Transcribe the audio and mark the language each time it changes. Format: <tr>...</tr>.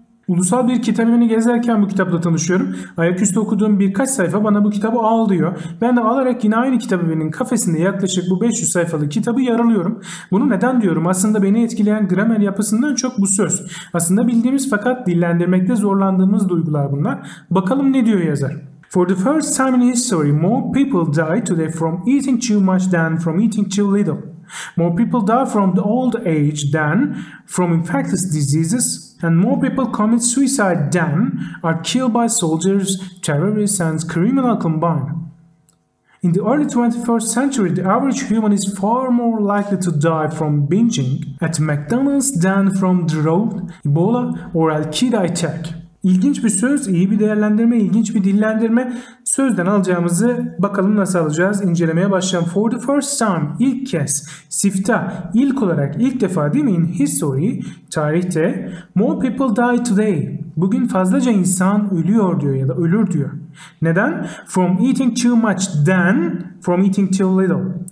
<tr>Ulusal bir kitabevini gezerken bu kitapla tanışıyorum. Ayaküstü okuduğum birkaç sayfa bana bu kitabı al diyor. Ben de alarak yine aynı kitabevinin kafesinde yaklaşık bu 500 sayfalık kitabı yaralıyorum. Bunu neden diyorum? Aslında beni etkileyen gramer yapısından çok bu söz. Aslında bildiğimiz fakat dillendirmekte zorlandığımız duygular bunlar. Bakalım ne diyor yazar?</tr> <en>For the first time in history, more people die today from eating too much than from eating too little. More people die from the old age than from infectious diseases, and more people commit suicide than are killed by soldiers, terrorists, and criminals combined. In the early 21st century, the average human is far more likely to die from binging at McDonald's than from drought, Ebola, or Al-Qaeda attack.</en> <tr>İlginç bir söz, iyi bir değerlendirme, ilginç bir dillendirme. Sözden alacağımızı bakalım nasıl alacağız? İncelemeye başlayalım.</tr> <en>For the first time,</en> <tr>ilk kez, siftah, ilk olarak, ilk defa değil mi?</tr> <en>In history, tarihte, more people die today.</en> <tr>Bugün fazlaca insan ölüyor diyor ya da ölür diyor. Neden?</tr> <en>From eating too much than from eating too little.</en>